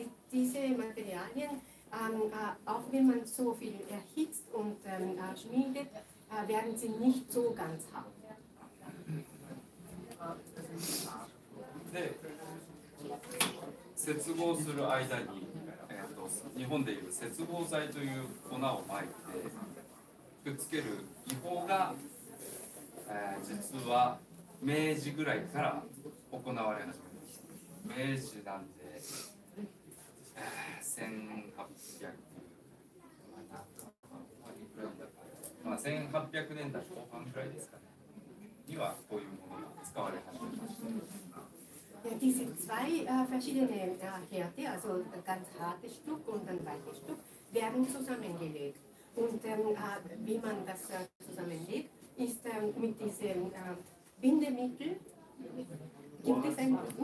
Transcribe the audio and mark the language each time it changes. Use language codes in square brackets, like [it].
[de] Diese Materialien, auch wenn man so viel erhitzt und schmiedet, werden sie nicht so ganz hart. [ja] で、接合する間に、日本でいう接合剤という粉をまいてくっつける技法が、実は明治ぐらいから行われ始めました。明治なんで1800年代後半ぐらいですかね、にはこういうものが使われ始めました。 [de] Diese zwei verschiedene Härte, also ganz hartes Stück und ein weiches Stück, werden zusammengelegt. Und wie man das zusammenlegt, ist mit diesem Bindemittel, gibt es ein